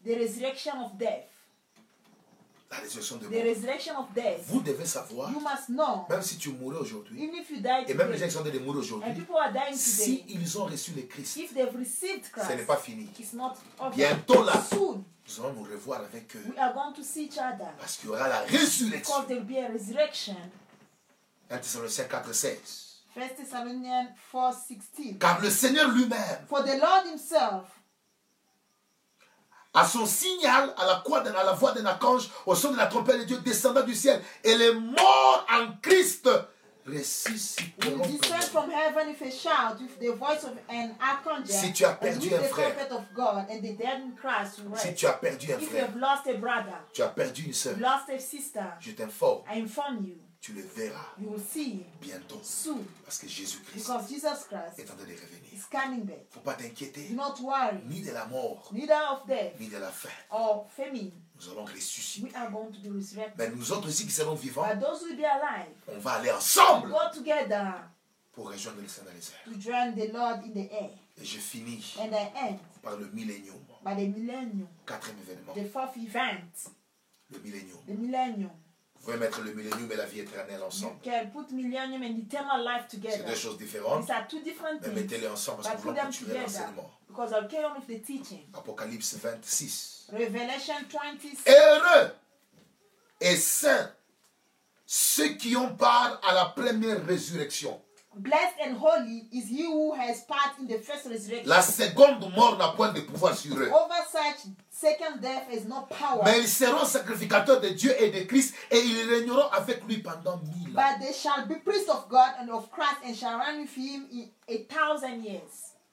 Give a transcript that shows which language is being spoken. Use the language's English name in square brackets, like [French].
[English] The resurrection of death. [French] La résurrection de [English] the [French] mort. [English] The resurrection of death. [French] Vous devez savoir. [English] You must know. [French] Même si tu mourrais aujourd'hui. [English] Even if you die [French] et même les gens qui sont de mourir aujourd'hui. [English] And people are dying today. [French] Si ils ont reçu le Christ. [English] If they've received Christ. [French] Ce n'est pas fini. [English] It's not over. [French] Bientôt là. [English] Soon. [French] Nous allons nous revoir avec eux. [English] We are going to see each other. [French] Parce qu'il y aura la résurrection. [English] Because there will be a resurrection. [French] 1 Thessaloniciens 4:16. 1 Thessaloniciens 4:16. Car le Seigneur lui-même. [English] For the Lord himself. [French] À son signal, à la voix d'un archange, au son de la trompette de Dieu, descendant du ciel, et les morts en Christ ressusciteront. [English] Will descend from heaven with a shout, with the voice of an archangel. [French] Si tu as perdu un frère. [English] God, and the dead in Christ, right? [French] Si tu as perdu un [English] if [French] frère. [English] You have lost a brother, [French] tu as perdu une sœur. [English] Lost a sister. [French] Je t'informe. [English] I inform you. [French] tu le verras [English] you will see [French] bientôt [English] soon, [French] parce que Jésus-Christ [English] because Jesus Christ [French] est en train de revenir. [English] Is coming back. [French] Faut pas t'inquiéter. [English] Do not worry. [French] Ni de la mort. [English] Neither of death. [French] Ni de la faim. [English] Or famine. [French] Nous allons ressusciter. [English] We are going to be resurrected. [French] Mais nous autres aussi qui serons vivants. [English] But those will be alive. [French] On va aller ensemble. [English] We'll go together. [French] Pour rejoindre le Seigneur dans les airs. [English] To join the Lord in the air. [French] Et je finis. [English] And I end. [French] Par le millennium. [English] By the millennium. [French] Quatrième événement. [English] The fourth event. [French] Le millennium. [English] The millennium. [French] Vous pouvez mettre le millennium et la vie éternelle ensemble. [English] Okay, put millennium and eternal life together. [French] C'est deux choses différentes. [English] These are two different things. [French] Mais mettez-les ensemble parce que vous voulez continuer l'enseignement. [English] Because I carry on with the teaching. [French] Apocalypse 26. [English] Revelation 26. [French] Heureux et saints ceux qui ont part à la première résurrection. [English] Blessed and holy is he who has part in the first resurrection. [French] La seconde mort n'a point de pouvoir sur eux. [English] Over such second death is no power. [French] Mais ils seront sacrificateurs de Dieu et de Christ et ils régneront avec lui pendant 1000 ans. [English] But they shall be priests of God and of Christ and shall reign with him in 1,000 years.